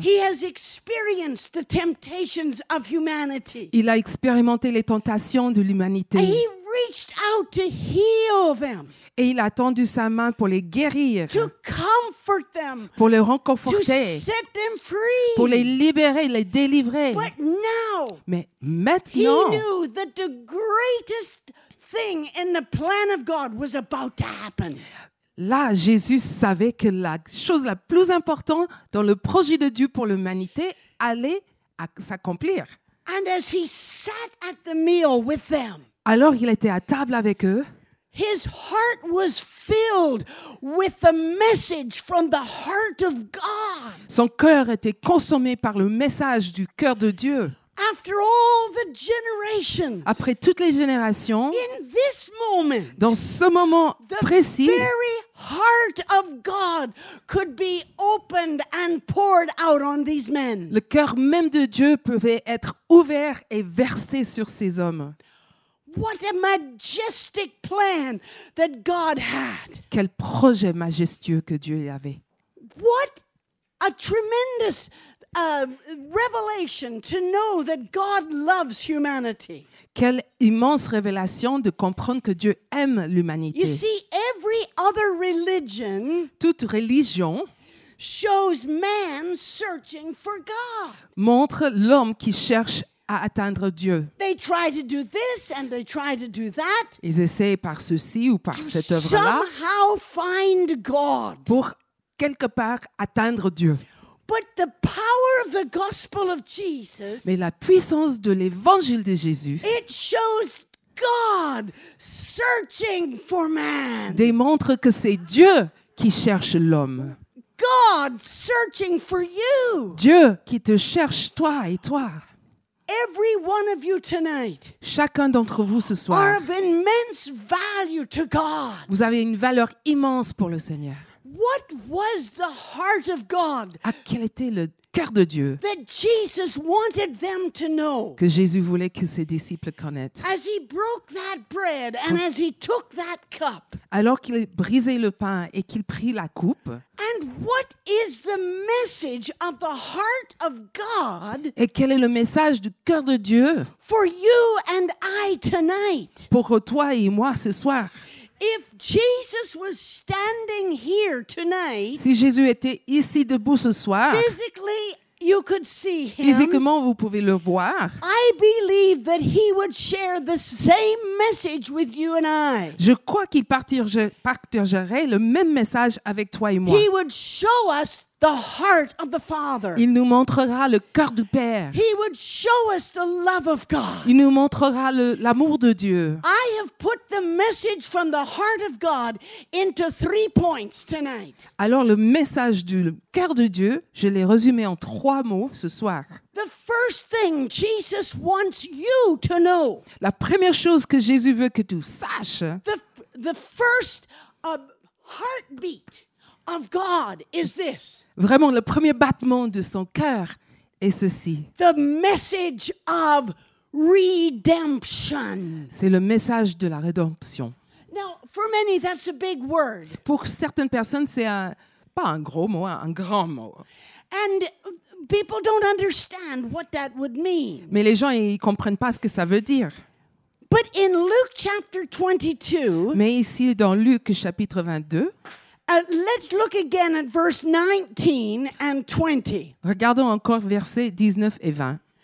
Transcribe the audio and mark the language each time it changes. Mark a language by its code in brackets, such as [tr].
[en] He has experienced the temptations of humanity. [fr] Il a expérimenté les tentations de l'humanité. [en] And he reached out to heal them. [fr] Et il a tendu sa main pour les guérir. [en] To comfort them, [fr] pour les réconforter. [en] To set them free. [fr] Pour les libérer, les délivrer. [en] But now, [fr] mais maintenant, [en] he knew that the greatest thing in the plan of God was about to happen. [fr] Là, Jésus savait que la chose la plus importante dans le projet de Dieu pour l'humanité allait s'accomplir. [en] And as he sat at the meal with them, [fr] alors il était à table avec eux. [en] His heart was filled with the message from the heart of God. [fr] Son cœur était consommé par le message du cœur de Dieu. [en] A After all the generations, [fr] après toutes les générations, [en] in this moment, [fr] dans ce moment [en] the [fr] précis, [en] very heart of God could be opened and poured out on these men. [fr] Le cœur même de Dieu pouvait être ouvert et versé sur ces hommes. [en] What a majestic plan that God had. [fr] Quel projet majestueux que Dieu avait. [en] What a tremendous revelation to know that God loves humanity. [fr] Quelle immense révélation de comprendre que Dieu aime l'humanité. [en] You see, every other religion, [fr] toute religion, [en] shows man searching for God. [fr] Montre l'homme qui cherche à atteindre Dieu. [en] They try to do this and they try to do that. [fr] Ils essaient par ceci ou par cette œuvre-là. [en] Somehow find God. [fr] Pour quelque part atteindre Dieu. [en] But the power of the gospel of Jesus. [fr] Mais la puissance de l'évangile de Jésus. [en] It shows God searching for man. [fr] Démontre que c'est Dieu qui cherche l'homme. [en] God searching for you. [fr] Dieu qui te cherche toi et toi. [en] Every one of you tonight. [fr] Chacun d'entre vous ce soir. [en] Are of immense value to God. [fr] Vous avez une valeur immense pour le Seigneur. [en] What was the heart of God? [fr] À quel était le cœur de Dieu? [en] That Jesus wanted them to know. [fr] Que Jésus voulait que ses disciples connaissent. [en] As he broke that bread and as he took that cup. [fr] Alors qu'il brisait le pain et qu'il prit la coupe. [en] And what is the message of the heart of God? [fr] Et quel est le message du cœur de Dieu? [en] For you and I tonight. [fr] Pour toi et moi ce soir. [en] If Jesus was standing here tonight, [fr] si Jésus était ici debout ce soir, [en] physically you could see him. [fr] Physiquement vous pouvez le voir. [en] I believe that he would share the same message with you and I. [fr] Je crois qu'il partagerait le même message avec toi et moi. [en] He would show us the heart of the Father. [fr] Il nous montrera le cœur du Père. [en] He would show us the love of God. [fr] Il nous montrera l'amour de Dieu. [en] I have put the message from the heart of God into three points tonight. [fr] Alors le message du cœur de Dieu, je l'ai résumé en trois mots ce soir. [en] The first thing Jesus wants you to know. [fr] La première chose que Jésus veut que tu saches. [en] The first heartbeat. Of God is this. [fr] Vraiment, le premier battement de son cœur est ceci. [en] The message of redemption. [fr] C'est le message de la rédemption. [en] Now, for many, that's a big word. [fr] Pour certaines personnes, c'est un grand mot. [en] And people don't understand what that would mean. [fr] Mais les gens, ils comprennent pas ce que ça veut dire. [en] But in Luke chapter 22. [fr] Mais ici, dans Luc chapitre 22. [en] Let's look again at verse 19 and 20. [fr] Regardons encore versets 19 et 20.